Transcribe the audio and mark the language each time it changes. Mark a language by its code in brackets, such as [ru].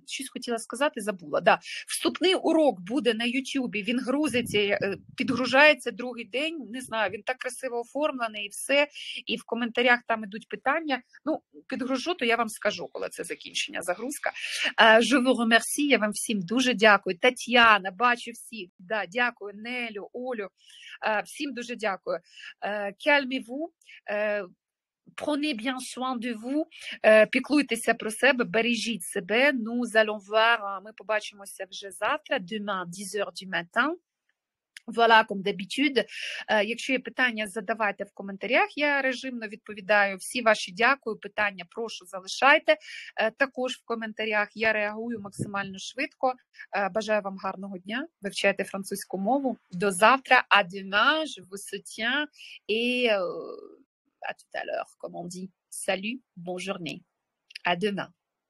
[uk] Щось хотіла сказати, забула. Да. Вступний урок буде на Ютубі, він грузиться, підгружається другий день, не знаю, він так красиво оформлений і все, і в коментарях там ідуть питання. Ну, підгружу, то я вам скажу, коли це закінчення, загрузка. [fr] Je vous remercie, [uk] я вам всім дуже дякую. Тетяна, бачу всіх, да, дякую. Нелю, Олю, всім дуже дякую. [fr] Кальмі-ву. Prenez bien soin de vous. [uk] Піклуйтеся про себе, бережіть себе. [fr] Nous allons voir, [uk] ми побачимося вже завтра, [fr] demain, 10h du matin. Voilà, comme d'habitude. [uk] Якщо є питання, задавайте в коментарях, я режимно відповідаю. Всі ваші дякую, питання прошу залишайте також в коментарях. Я реагую максимально швидко. Бажаю вам гарного дня, вивчайте французьку мову. До завтра, [fr] à demain, je vous soutiens et à tout à l'heure, comme on dit. Salut, bonne journée, à demain.